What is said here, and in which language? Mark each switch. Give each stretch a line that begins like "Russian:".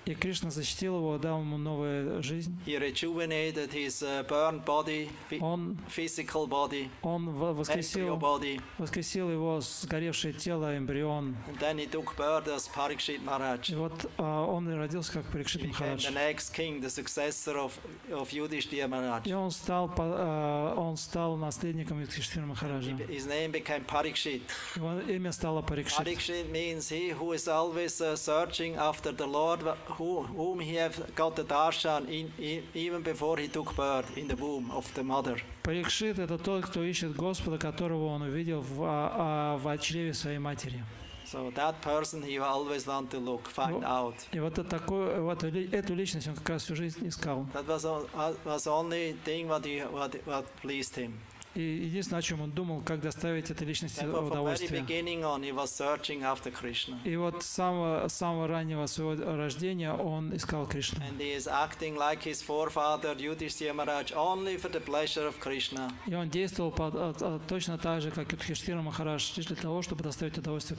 Russian: И Кришна защитил его, дал ему новую жизнь.
English: He rejuvenated his burned body, physical body, embryo body.
Russian: Воскресил его сгоревшее тело, эмбрион.
English: And then he took birth as Parikshit Maharaj.
Russian: И вот он родился как Парикшит Махарадж.
English: The next king, the successor of Yudhishthira Maharaj.
Russian: И он стал наследником Юдхиштхира Махараджа.
English: His name became Parikshit.
Russian: Его имя стало Парикшит.
English: Parikshit means he who is always searching after the Lord, whom he have got the darshan even before he took birth in the womb of the mother.
Russian: Парикшит — это тот, кто ищет Господа, которого он увидел в чреве своей матери.
English: So that person he always want to look, find out.
Russian: И вот такой, вот эту личность он как раз всю жизнь искал.
English: That was the only thing what pleased him.
Russian: И единственное, о чем он думал, как доставить этой личности удовольствие. И вот с самого раннего своего рождения он искал Кришну. И он действовал точно так же, как Юдхиштхира Махарадж, лишь для того, чтобы доставить удовольствие